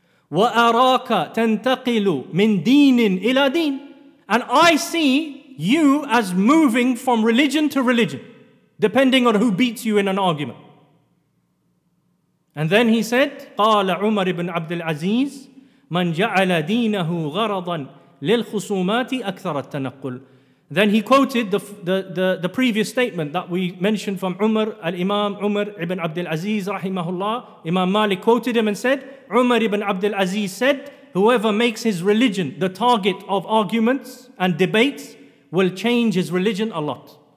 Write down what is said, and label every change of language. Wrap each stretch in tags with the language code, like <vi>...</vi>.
<ar>وأراك تنتقل من دين إلى دين.</ar> <en>And I see you as moving from religion to religion, depending on who beats you in an argument. And then he said,</en> <ar>قال عمر بن عبد العزيز من جعل دينه غرضا للخصومات أكثر التنقل.</ar> <en>Then he quoted the previous statement that we mentioned from Umar, al-Imam Umar ibn Abdul Aziz rahimahullah. Imam Malik quoted him and said, Umar ibn Abdul Aziz said, whoever makes his religion the target of arguments and debates will change his religion a lot.</en>